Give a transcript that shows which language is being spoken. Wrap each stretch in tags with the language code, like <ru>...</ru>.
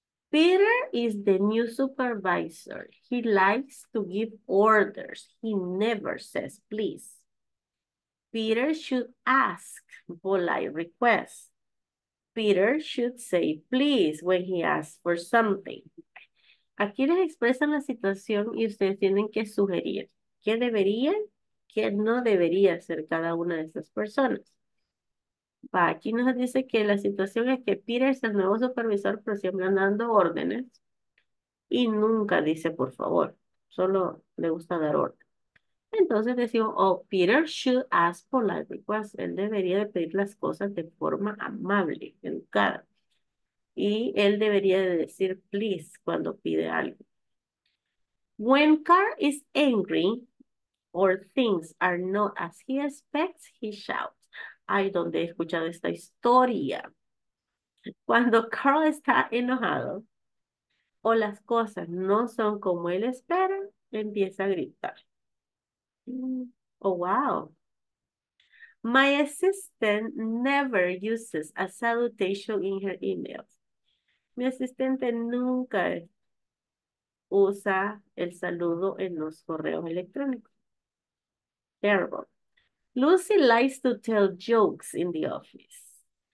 <en>Peter is the new supervisor. He likes to give orders. He never says please. Peter should ask polite requests. Peter should say please when he asks for something.</en> <es>Aquí les expresan la situación y ustedes tienen que sugerir qué debería, qué no debería hacer cada una de esas personas. Va, aquí nos dice que la situación es que Peter es el nuevo supervisor, pero siempre dando órdenes y nunca dice por favor, solo le gusta dar orden. Entonces decimos,</es> <en>oh, Peter should ask polite requests.</en> <es>Él debería de pedir las cosas de forma amable, educada. Y él debería de decir please cuando pide algo.</es> <en>When Carl is angry or things are not as he expects, he shouts.</en> <es>Ay, ¿dónde he escuchado esta historia? Cuando Carl está enojado o las cosas no son como él espera, empieza a gritar.</es> <en>Oh, wow. My assistant never uses a salutation in her emails.</en> <es>Mi asistente nunca usa el saludo en los correos electrónicos. Terrible.</es> <en>Lucy likes to tell jokes in the office.</en>